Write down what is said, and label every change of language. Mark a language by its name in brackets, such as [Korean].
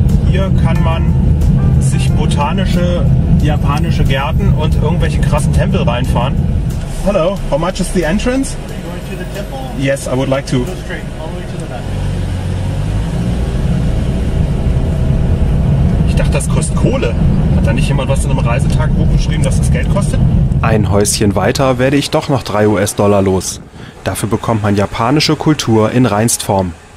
[German] Hier kann man sich botanische japanische Gärten und irgendwelche krassen Tempel reinfahren. [English] Hello, how much is the entrance? Are you going to the temple? Yes, I would like to. Go straight, all the way to the back. [German] Ach, das kostet Kohle. Hat da nicht jemand was in einem Reisetagebuch geschrieben, dass das Geld kostet? Ein Häuschen weiter werde ich doch noch 3 US-Dollar los. Dafür bekommt man japanische Kultur in Reinstform.